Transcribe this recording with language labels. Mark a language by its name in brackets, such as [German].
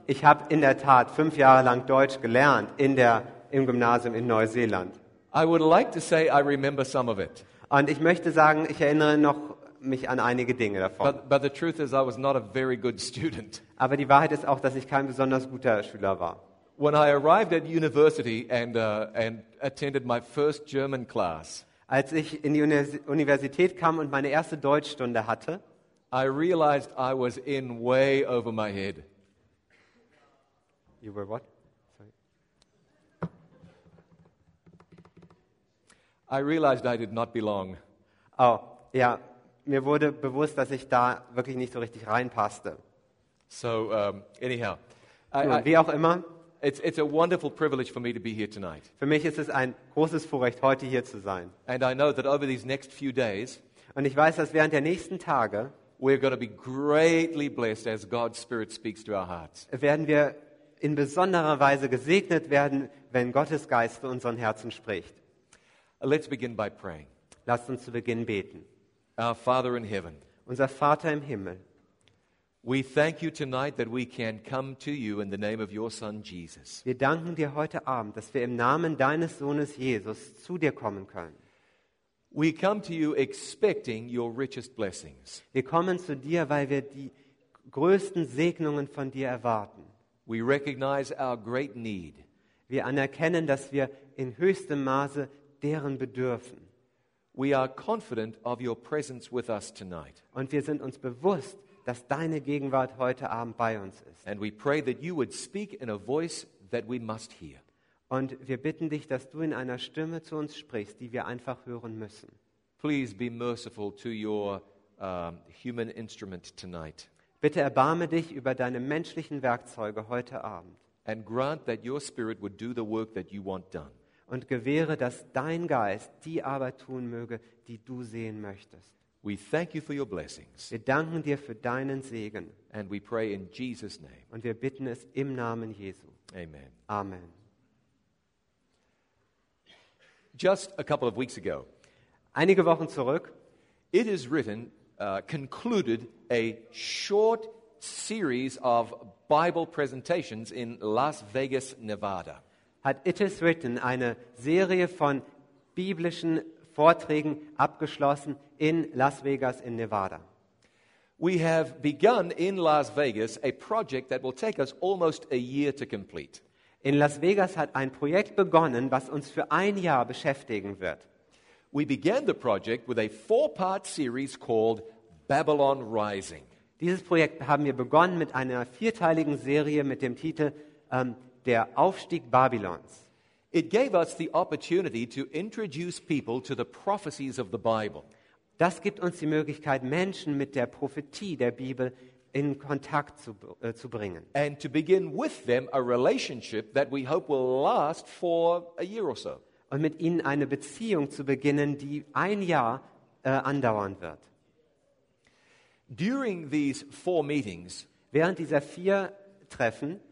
[German] Ich habe in der Tat 5 Jahre lang Deutsch gelernt im Gymnasium in Neuseeland. [English] I would like to say I remember some of it. [German] Und ich möchte sagen, ich erinnere noch mich an einige Dinge davon. [English] But the truth is, I was not a very good student. [German] Aber die Wahrheit ist auch, dass ich kein besonders guter Schüler war. [English] When I arrived at university and attended my first German class. [German] Als ich in die Universität kam und meine erste Deutschstunde hatte, [English] I realized I was in way over my head. You were what? Sorry. I realized I did not belong. [German] Oh, ja, mir wurde bewusst, dass ich da wirklich nicht so richtig reinpasste. [English] So, anyhow. [German] Wie auch immer. [English] It's a wonderful privilege for me to be here tonight. [German] Für mich ist es ein großes Vorrecht, heute hier zu sein. [English] And I know that over these next few days, [German] und ich weiß, dass während der nächsten Tage, [English] we're going to be greatly blessed as God's Spirit speaks to our hearts. [German] Werden wir in besonderer Weise gesegnet werden, wenn Gottes Geist zu unseren Herzen spricht. [English] Let's begin by praying. [German] Lasst uns zu Beginn beten. [English] Our Father in heaven. [German] Unser Vater im Himmel. [English] We thank you tonight that we can come to you in the name of your son Jesus. [German] Wir danken dir heute Abend, dass wir im Namen deines Sohnes Jesus zu dir kommen können. [English] We come to you expecting your richest blessings. [German] Wir kommen zu dir, weil wir die größten Segnungen von dir erwarten. [English] We recognize our great need. [German] Wir anerkennen, dass wir in höchstem Maße deren bedürfen. [English] We are confident of your presence with us tonight. [German] Und wir sind uns bewusst, dass deine Gegenwart heute Abend bei uns ist. [English] And we pray that you would speak in a voice that we must hear. [German] Und wir bitten dich, dass du in einer Stimme zu uns sprichst, die wir einfach hören müssen. [English] Please be merciful to your human instrument tonight. [German] Bitte erbarme dich über deine menschlichen Werkzeuge heute Abend. [English] And grant that your spirit would do the work that you want done. [German] Und gewähre, dass dein Geist die Arbeit tun möge, die du sehen möchtest. [English] We thank you for your blessings. [German] Wir danken dir für deinen Segen. [English] And we pray in Jesus' name. [German] Und wir bitten es im Namen Jesu. [English] Amen. [German] Amen. [English] Just a couple of weeks ago. [German] Einige Wochen zurück. [English] It is written, concluded a short series of Bible presentations in Las Vegas, Nevada. [German] Hat It is written eine Serie von biblischen Vorträgen abgeschlossen in Las Vegas in Nevada. [English] We have begun in Las Vegas a project that will take us almost a year to complete. [German] In Las Vegas hat ein Projekt begonnen, was uns für ein Jahr beschäftigen wird. [English] We began the project with a 4-part series called Babylon Rising. [German] Dieses Projekt haben wir begonnen mit einer 4-teiligen Serie mit dem Titel Der Aufstieg Babylons. [English] It gave us the opportunity to introduce people to the prophecies of the Bible. [German] Das gibt uns die Möglichkeit, Menschen mit der Prophetie der Bibel in Kontakt zu bringen. [English] And to begin with them a relationship that we hope will last for a year or so. [German] Und mit ihnen eine Beziehung zu beginnen, die ein Jahr andauern wird. [English] During these 4 meetings, [German] während dieser 4 Treffen,